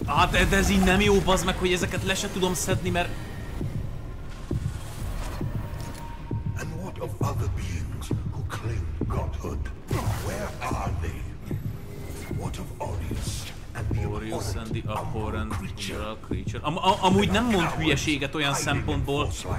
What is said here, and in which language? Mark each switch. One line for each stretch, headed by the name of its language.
Hungarian: De ez így nem jó, bazd meg, hogy ezeket le se tudom szedni, mert...
English: And what of other beings who claim godhood? Where are they? What of Aureus and the abhorrent abhorrent creature? Creature.
Hungarian: Amúgy nem mond hülyeséget olyan szempontból.